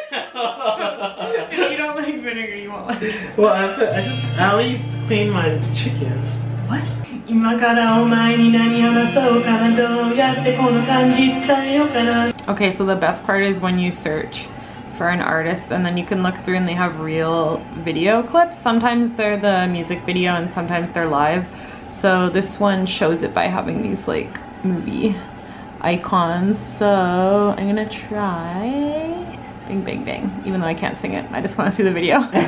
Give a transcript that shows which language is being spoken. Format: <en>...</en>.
<en>If you don't like vinegar, you won't like it. Well, I at least cleaned my chicken. What?</en> <ja>今からお前に何話そうかな、どうやってこの感じ伝えようかな。</ja> <en>Okay, so the best part is when you search for an artist and then you can look through and they have real video clips. Sometimes they're the music video and sometimes they're live. So this one shows it by having these like movie icons. So I'm gonna try Bing Bing Bing, even though I can't sing it. I just wanna see the video.</en>